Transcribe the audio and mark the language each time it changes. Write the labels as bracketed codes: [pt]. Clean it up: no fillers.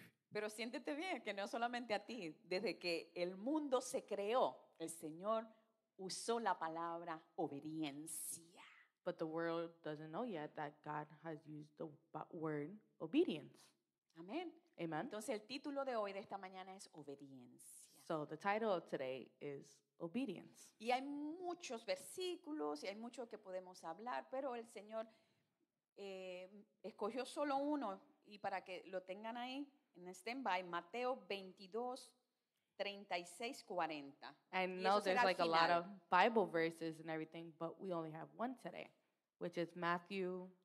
[es] Pero siéntete bien, que no solamente a ti. Desde que el mundo se creó, el Señor usó la palabra obediencia. [en] But the world doesn't know yet that God has used the word obedience. [es] Amén. [en] Amen. [es] Entonces el título de hoy, de esta mañana, es obediencia. [en] So the title of today is obedience. [es] Y hay muchos versículos y hay mucho que podemos hablar, pero el Señor escogió solo uno. Y para que lo tengan ahí, en stand-by, Mateo 22, 36, 40. [en] I know there's like a lot of Bible verses and everything, but we only have one today, which is Matthew